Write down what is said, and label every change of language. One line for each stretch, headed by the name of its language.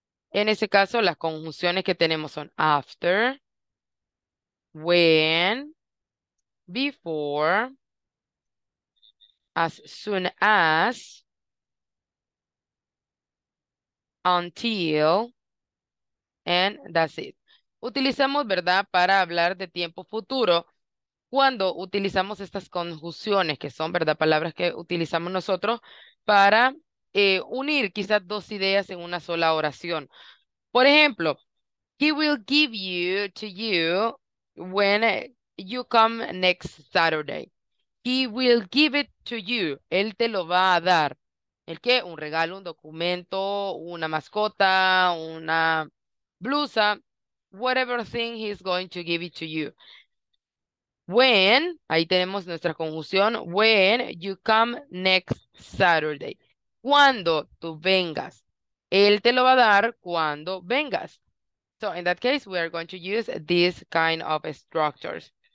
Spanish: En ese caso, las conjunciones que tenemos son after, when, before, as soon as, until,
English: and that's it.
Spanish: Utilizamos, ¿verdad?, para hablar de tiempo futuro. Cuando utilizamos estas conjunciones, que son, ¿verdad?, palabras que utilizamos nosotros para unir quizás dos ideas en una sola oración. Por ejemplo,
English: he will give you to you when you come next Saturday. He will give it to you.
Spanish: Él te lo va a dar. ¿El qué? Un regalo, un documento, una mascota, una blusa.
English: Whatever thing he's going to give it to you. When,
Spanish: ahí tenemos nuestra conjunción,
English: when you come next Saturday.
Spanish: Cuando tú vengas. Él te lo va a dar cuando vengas.
English: So, in that case, we are going to use this kind of structures.